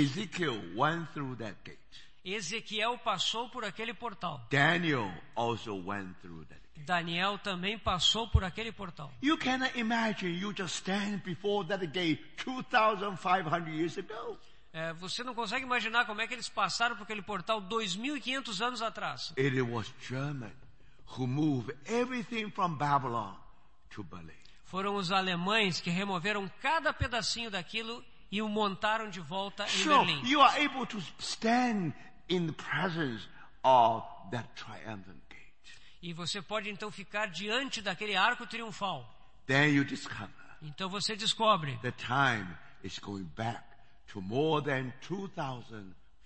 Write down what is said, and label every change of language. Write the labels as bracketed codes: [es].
[en] Ezekiel went through that gate. [pt] Ezequiel passou por aquele portal. [en] Daniel also went through that gate. [pt] Daniel também passou por aquele portal. [en] You cannot imagine you just stand before that gate 2500 years ago. [pt] Você não consegue imaginar como é que eles passaram por aquele portal 2500 anos atrás. [en] It was German. Who moved everything from Babylon to Berlin. [pt] Foram os alemães que removeram cada pedacinho daquilo e o montaram de volta em [en] sure, [pt] Berlim. [en] You are able to stand in the presence of that triumphant gate. [pt] E você pode então ficar diante daquele arco triunfal. [en] Then you discover. [pt] Então você descobre. [en] The time is going back to more than 2500.